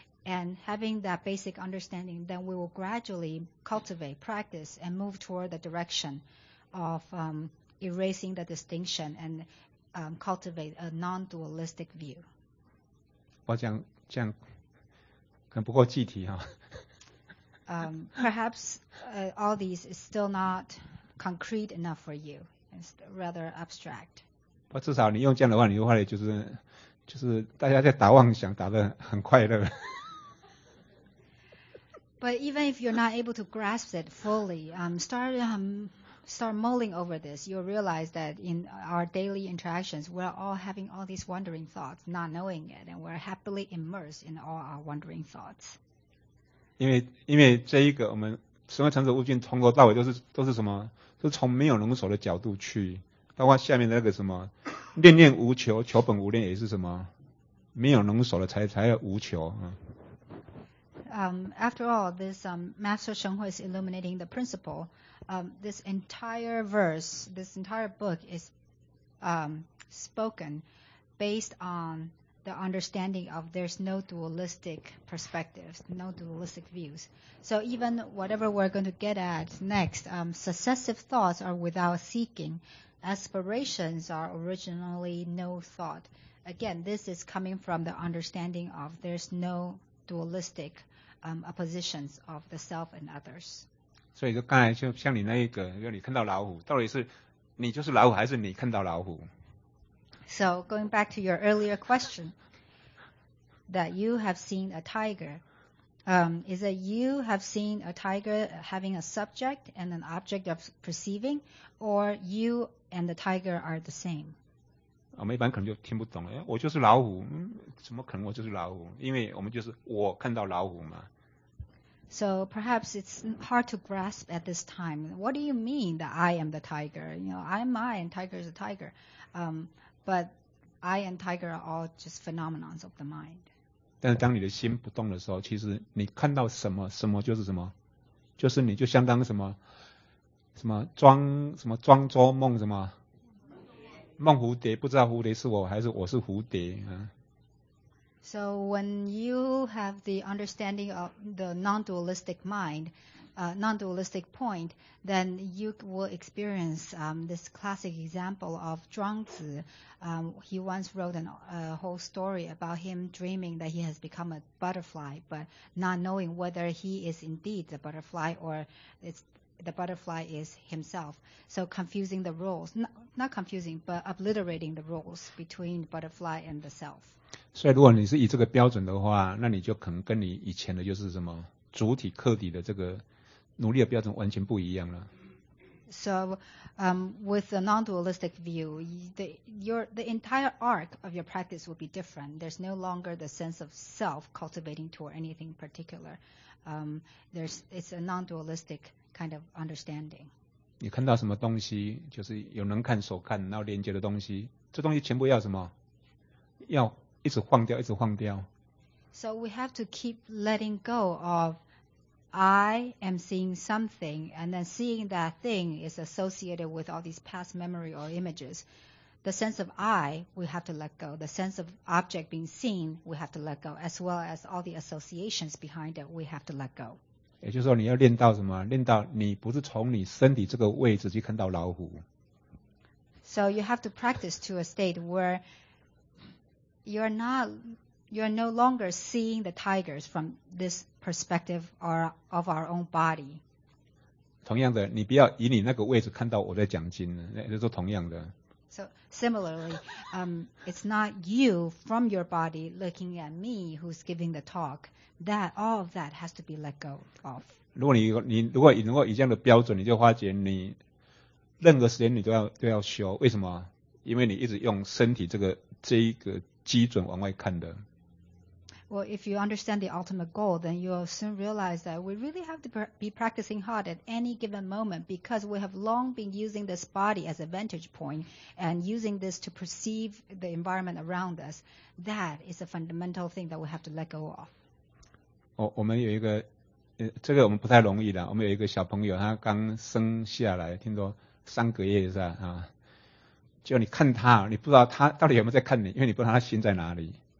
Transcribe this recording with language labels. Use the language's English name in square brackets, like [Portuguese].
[English] And having that basic understanding, then we will gradually cultivate, practice, and move toward the direction of erasing the distinction andcultivate a non-dualistic view. [Chinese] 我讲这样可能不够具体哈。 [English] Perhaps all these is still not concrete enough for you. It's rather abstract. [Chinese] 不至少你用这样的话，你的话也就是大家在打妄想，打得很快乐。 [English] But even if you're not able to grasp it fully, start mulling over this, you'll realize that in our daily interactions, we're all having all these wandering thoughts, not knowing it, and we're happily immersed in all our wandering thoughts. [Chinese] 因为这一个我们神会长者悟净从头到尾都是什么？都从没有能守的角度去，包括下面的那个什么，念念无求，求本无念，也是什么？没有能守的才有无求啊。 [English] After all, this Master Sheng Hui is illuminating the principle. This entire verse, this entire book is spoken based on the understanding of there's no dualistic perspectives, no dualistic views. So even whatever we're going to get at next, successive thoughts are without seeking. Aspirations are originally no thought. Again, this is coming from the understanding of there's no dualistic perspectives. Oppositions of the self and others. [Chinese] 所以就刚才就像你那一个，就你看到老虎，到底是你就是老虎，还是你看到老虎？ [English] So going back to your earlier question, that you have seen a tiger, is that you have seen a tiger having a subject and an object of perceiving, or you and the tiger are the same? [Chinese] 我们一般可能就听不懂，我就是老虎，怎么可能我就是老虎？因为我们就是我看到老虎嘛。 [English] So perhaps it's hard to grasp at this time. What do you mean that I am the tiger? You know, I'm I and tiger is a tiger. But I and tiger are all just phenomena of the mind. [Chinese] 但是当你的心不动的时候，其实你看到什么，什么就是什么，就是你就相当什么什么庄什么庄周梦什么。梦蝴蝶，不知道蝴蝶是我还是我是蝴蝶、啊、 [English] So when you have the understanding of the non-dualistic mind, non-dualistic point, then you will experience this classic example of Zhuang Zi. He once wrote a whole story about him dreaming that he has become a butterfly, but not knowing whether he is indeed the butterfly or the butterfly is himself. So confusing the rules. Not confusing, but obliterating the rules between butterfly and the self. [Chinese] 所以如果你是以这个标准的话，那你就可能跟你以前的就是什么主体客体的这个努力的标准完全不一样了。 [English] So, with the non-dualistic view, the entire arc of your practice will be different. There's no longer the sense of self cultivating toward anything particular. It's a non-dualistic kind of understanding. [Chinese] 你看到什么东西，就是有能看所看，然后连接的东西，这东西全部要什么？要一直晃掉，一直晃掉。 [English] So we have to keep letting go of I am seeing something, and then seeing that thing is associated with all these past memory or images. The sense of I, we have to let go. The sense of object being seen, we have to let go. As well as all the associations behind it, we have to let go. [Chinese] 也就是说你要练到什么？练到你不是从你身体这个位置去看到老虎。 [English] So you have to practice to a state where you're no longer seeing the tigers from this perspective or of our own body. [Chinese] 同样的，你不要以你那个位置看到我在讲经，那就是同样的。 [English] So similarly, it's not you from your body looking at me who's giving the talk. That all of that has to be let go of. [Chinese] 如果你这样的标准，你就发觉你任何时间你都要修。为什么？因为你一直用身体这一个基准往外看的。 [English] Well, if you understand the ultimate goal, then you'll soon realize that we really have to be practicing hard at any given moment because we have long been using this body as a vantage point and using this to perceive the environment around us. That is a fundamental thing that we have to let go of. [Chinese] 我们有一个，这个我们不太容易的。我们有一个小朋友，他刚生下来，听说三个月是吧？啊，就你看他，你不知道他到底有没有在看你，因为你不知道他心在哪里。